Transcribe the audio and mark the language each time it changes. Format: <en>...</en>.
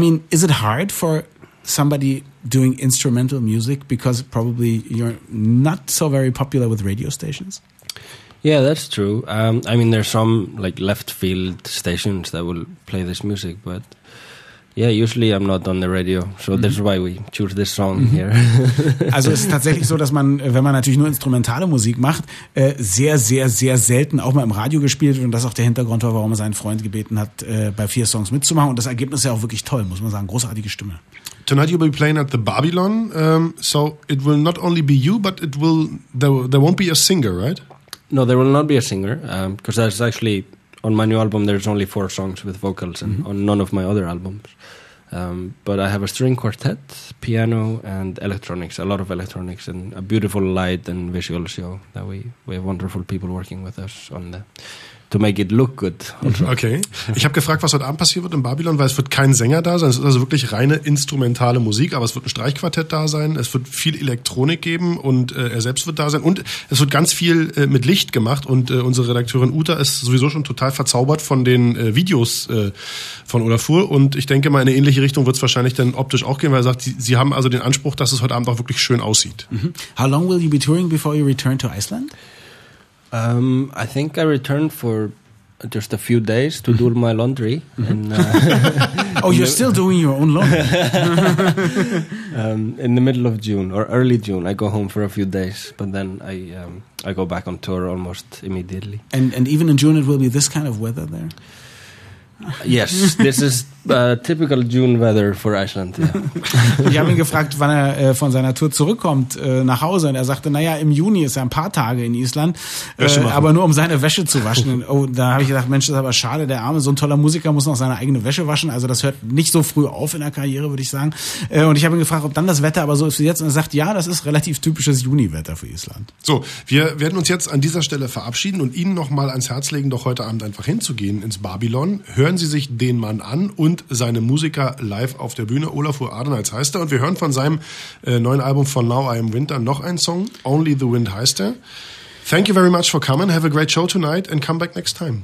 <en>Is it hard for somebody doing instrumental music because probably you're not so very popular with radio stations? Yeah, that's true. There's some like left field stations that will play this music, but yeah, usually I'm not on the radio, so mm-hmm. that's why we choose this song mm-hmm. here.</en> <de>Also es ist tatsächlich so, dass man, wenn man natürlich nur instrumentale Musik macht, sehr, sehr, sehr selten auch mal im Radio gespielt wird und das auch der Hintergrund war, warum er seinen Freund gebeten hat, bei 4 Songs mitzumachen. Und das Ergebnis ist ja auch wirklich toll, muss man sagen, großartige Stimme.</de> <en>Tonight you'll be playing at the Babylon, so it will not only be you, but there won't be a singer, right? No, there will not be a singer, because that's actually... On my new album, there's only 4 songs with vocals and mm-hmm. on none of my other albums. But I have a string quartet, piano, and electronics, a lot of electronics, and a beautiful light and visual show that we have wonderful people working with us on the, to make it look good.</en> <de>Also. Okay. Ich habe gefragt, was heute Abend passieren wird in Babylon, weil es wird kein Sänger da sein. Es ist also wirklich reine instrumentale Musik, aber es wird ein Streichquartett da sein. Es wird viel Elektronik geben und er selbst wird da sein. Und es wird ganz viel mit Licht gemacht. Und unsere Redakteurin Uta ist sowieso schon total verzaubert von den Videos von Olafur. Und ich denke mal, in eine ähnliche Richtung wird es wahrscheinlich dann optisch auch gehen, weil er sagt, sie haben also den Anspruch, dass es heute Abend auch wirklich schön aussieht. Mm-hmm.</de> <en>How long will you be touring before you return to Iceland? I think I returned for just a few days to do my laundry. And, oh, you're still doing your own laundry? In the middle of June or early June, I go home for a few days, but then I go back on tour almost immediately. And even in June, it will be this kind of weather there? Yes, this is typical June weather for Iceland. Yeah.</en> <de>Ich habe ihn gefragt, wann er von seiner Tour zurückkommt nach Hause. Und er sagte, naja, im Juni ist er ein paar Tage in Island, aber nur um seine Wäsche zu waschen. Oh, da habe ich gedacht, Mensch, das ist aber schade, der Arme, so ein toller Musiker muss noch seine eigene Wäsche waschen. Also das hört nicht so früh auf in der Karriere, würde ich sagen. Und ich habe ihn gefragt, ob dann das Wetter aber so ist wie jetzt. Und er sagt, ja, das ist relativ typisches Juni-Wetter für Island. So, wir werden uns jetzt an dieser Stelle verabschieden und Ihnen nochmal ans Herz legen, doch heute Abend einfach hinzugehen ins Babylon. Hören Sie sich den Mann an und seine Musiker live auf der Bühne. Olafur Ardenhals heißt er. Und wir hören von seinem neuen Album For Now I Am Winter noch einen Song. Only the Wind heißt er.</de> <en>Thank you very much for coming. Have a great show tonight and come back next time.</en>